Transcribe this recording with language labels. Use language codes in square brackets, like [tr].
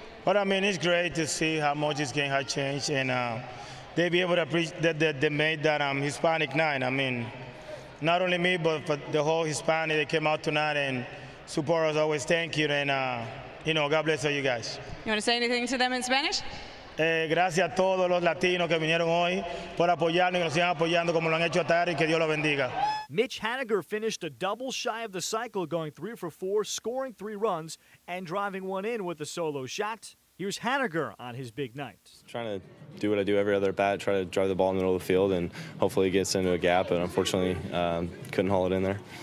[en] Well, I mean, it's great to see how much this game has changed, and they be able to appreciate that they made that Hispanic night. I mean, not only me, but the whole Hispanic that came out tonight and support us always. Thank you. And you know, God bless all you guys. You want to say anything to them in Spanish? [es] Gracias a todos los latinos que vinieron hoy por apoyarnos y nos sigan apoyando como lo han hecho hasta ahora, y que Dios los bendiga. [en] Mitch Haniger finished a double shy of the cycle, going 3-for-4, scoring 3 runs, and driving one in with a solo shot. Here's Haniger on his big night. Trying to do what I do every other bat, try to drive the ball in the middle of the field, and hopefully it gets into a gap, but unfortunately couldn't haul it in there.